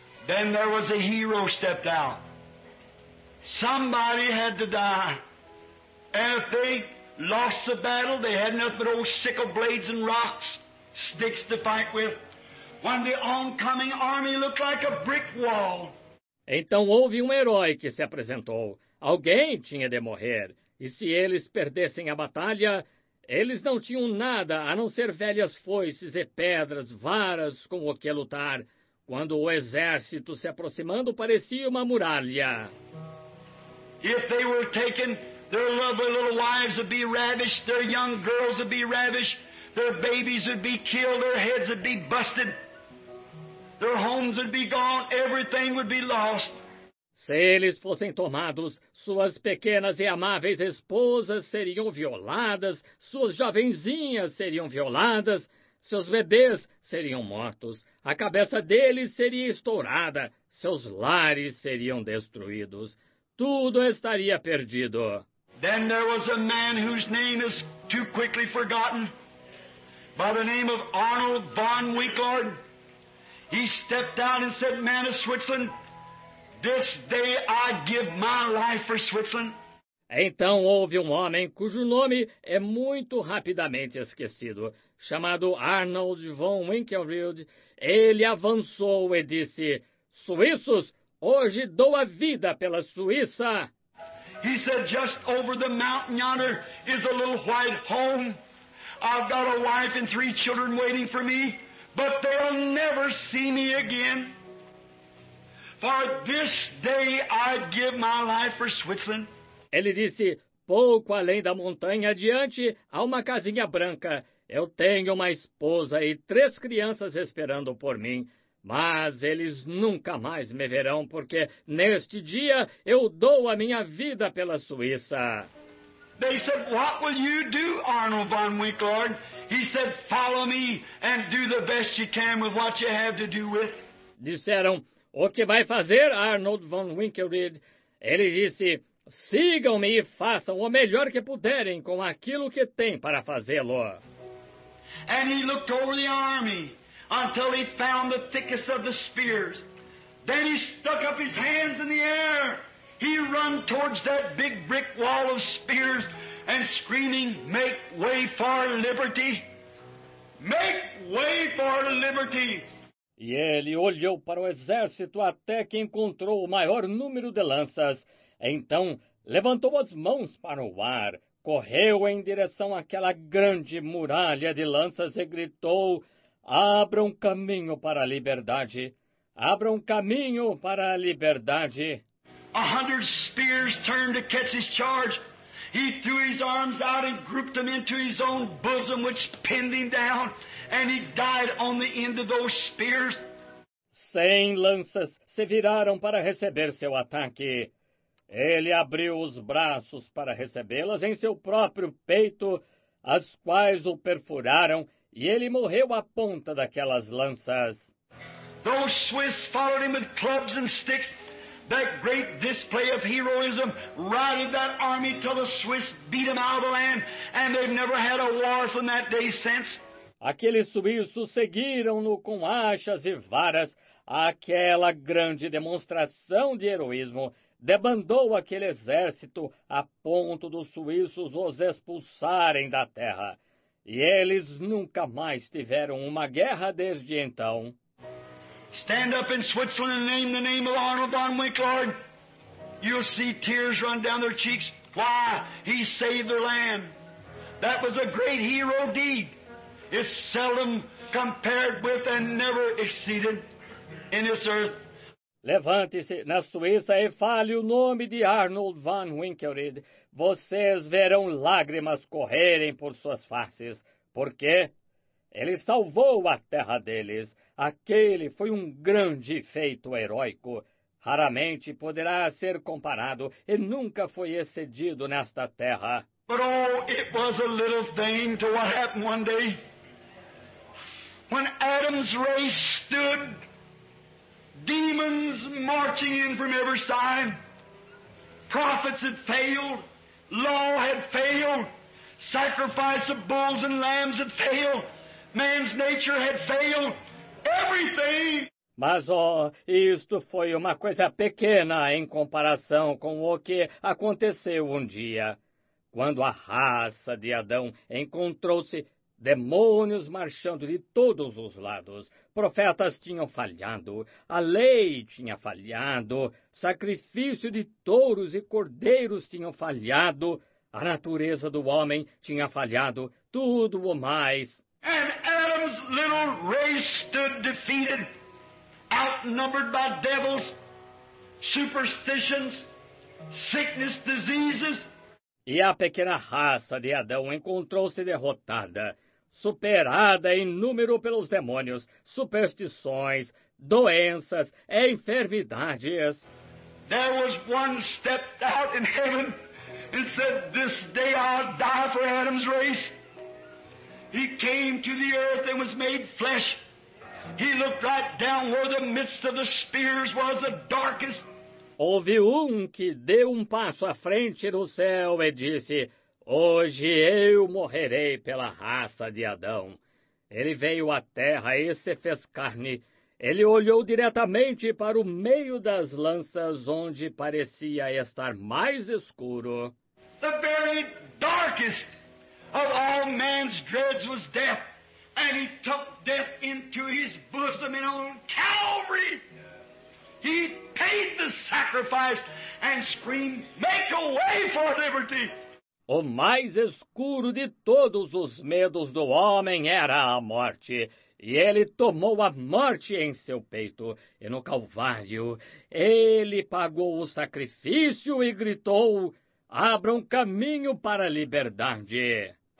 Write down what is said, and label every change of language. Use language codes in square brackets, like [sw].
[en] Then there was a hero stepped out. Somebody had to die. And if they lost the battle, they had nothing but old sickle blades and rocks, sticks to fight with. When the oncoming army looked like a brick wall. [pt] Então houve um herói que se apresentou. Alguém tinha de morrer. E se eles perdessem a batalha, eles não tinham nada a não ser velhas foices e pedras, varas com o que lutar. Quando o exército se aproximando, parecia uma muralha. [en] If they were taken, their lovely little wives would be ravished, their young girls would be ravished, their babies would be killed, their heads would be busted. Their homes would be gone, everything would be lost. [pt] Se eles fossem tomados, suas pequenas e amáveis esposas seriam violadas, suas jovenzinhas seriam violadas, seus bebês seriam mortos, a cabeça deles seria estourada, seus lares seriam destruídos, tudo estaria perdido. [en] Then there was a man whose name is too quickly forgotten, by the name of Arnold von Winkelried. He stepped out and said, "Man of Switzerland, this day I give my life for Switzerland." [pt] Então houve um homem cujo nome é muito rapidamente esquecido, chamado Arnold von Winkelried. Ele avançou e disse, "Suíços, hoje dou a vida pela Suíça." [en] He said, "Just over the mountain yonder is a little white home. I've got a wife and three children waiting for me. But they'll never see me again. For this day I'd give my life for Switzerland. [pt] Ele disse, pouco além da montanha adiante, há uma casinha branca. Eu tenho uma esposa e três crianças esperando por mim. Mas eles nunca mais me verão, porque neste dia eu dou a minha vida pela Suíça. [en] They said, what will you do, Arnold von Winkelhorn? He said, follow me and do the best you can with what you have to do with. [pt] Disseram, o que vai fazer, Arnold von Winkelried? Ele disse, sigam-me e façam o melhor que puderem com aquilo que têm para fazê-lo. [en] And he looked over the army until he found the thickest of the spears. Then he stuck up his hands in the air. He ran towards that big brick wall of spears and screaming, make way for liberty! Make way for liberty! [pt] E ele olhou para o exército até que encontrou o maior número de lanças. Então, levantou as mãos para o ar, correu em direção àquela grande muralha de lanças e gritou, abra um caminho para a liberdade! Abra um caminho para a liberdade! [en] 100 spears turned to catch his charge. He threw his arms out and grouped them into his own bosom, which pinned him down, and he died on the end of those spears. [pt] 100 lanças se viraram para receber seu ataque. Ele abriu os braços para recebê-las em seu próprio peito, as quais o perfuraram, e ele morreu à ponta daquelas lanças. [en] Those Swiss followed him with clubs and sticks. That great display of heroism routed that army till the Swiss beat them out of the land, and they've never had a war from that day since. [pt] Aqueles suíços seguiram-no com hachas e varas. Aquela grande demonstração de heroísmo debandou aquele exército a ponto dos suíços os expulsarem da terra. E eles nunca mais tiveram uma guerra desde então. [en] Stand up in Switzerland and name the name of Arnold von Winkelhorn. You'll see tears run down their cheeks. Why? He saved their land. That was a great hero deed. It's seldom compared with and never exceeded in this earth. [pt] Levante-se na Suíça e fale o nome de Arnold von Winkelried. Vocês verão lágrimas correrem por suas faces. Por quê? Ele salvou a terra deles. Aquele foi um grande feito heróico. Raramente poderá ser comparado e nunca foi excedido nesta terra. [en] But oh, it was a little thing to what happened one day. When Adam's race stood, demons marching in from every side. Prophets had failed, law had failed, sacrifice of bulls and lambs had failed. Man's nature had failed everything. [pt] Mas, isto foi uma coisa pequena em comparação com o que aconteceu um dia. Quando a raça de Adão encontrou-se demônios marchando de todos os lados, profetas tinham falhado, a lei tinha falhado, sacrifício de touros e cordeiros tinham falhado, a natureza do homem tinha falhado, tudo o mais. [en] And Adam's little race stood defeated, outnumbered by devils, superstitions, sickness, diseases. [pt] E a pequena raça de Adão encontrou-se derrotada, superada em número pelos demônios, superstições, doenças, enfermidades. [en] There was one stepped out in heaven and said, this day I'll die for Adam's race. He came to the earth and was made flesh. He looked right down where the midst of the spears was the darkest. [pt] Houve que deu passo à frente do céu e disse, hoje eu morrerei pela raça de Adão. Ele veio à terra e se fez carne. Ele olhou diretamente para o meio das lanças onde parecia estar mais escuro. [en] The very darkest of all man's dreads was death, and he took death into his bosom and on Calvary. He paid the sacrifice and screamed, make a way for liberty. [pt] O mais escuro de todos os medos do homem era a morte, e ele tomou a morte em seu peito, e no Calvário ele pagou o sacrifício e gritou: abra um caminho para a liberdade.